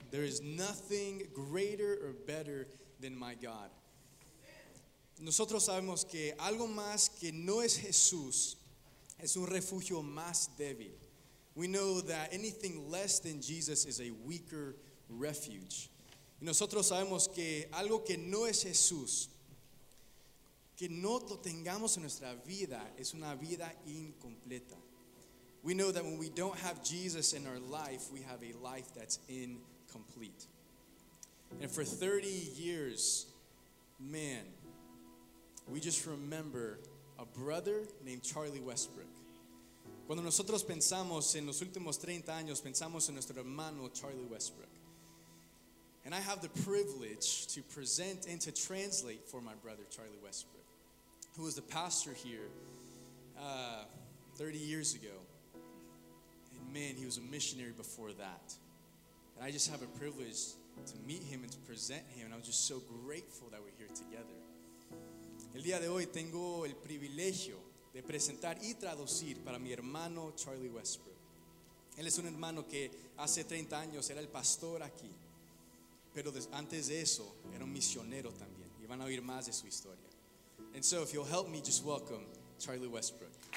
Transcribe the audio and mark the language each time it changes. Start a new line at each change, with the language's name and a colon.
English: There is nothing greater or better than my God.
Spanish: Nosotros sabemos que algo más que no es Jesús es un refugio más débil.
English: We know that anything less than Jesus is a weaker refuge.
Spanish: Y nosotros sabemos que algo que no es Jesús, que no lo tengamos en nuestra vida, es una vida incompleta.
English: We know that when we don't have Jesus in our life, we have a life that's incomplete. And for 30 years, man, we just remember a brother named Charlie Westbrook.
Spanish: Cuando nosotros pensamos en los últimos 30 años, pensamos en nuestro hermano Charlie Westbrook.
English: And I have the privilege to present and to translate for my brother Charlie Westbrook, who was the pastor here 30 years ago. And man, he was a missionary before that. And I just have a privilege to meet him and to present him. And I'm just so grateful that we're here together.
Spanish: El día de hoy tengo el privilegio de presentar y traducir para mi hermano Charlie Westbrook. Él es un hermano que hace 30 años era el pastor aquí. Pero antes de eso, era un misionero también. Y van a oír más de su historia.
English: And so, if you'll help me, just welcome Charlie Westbrook.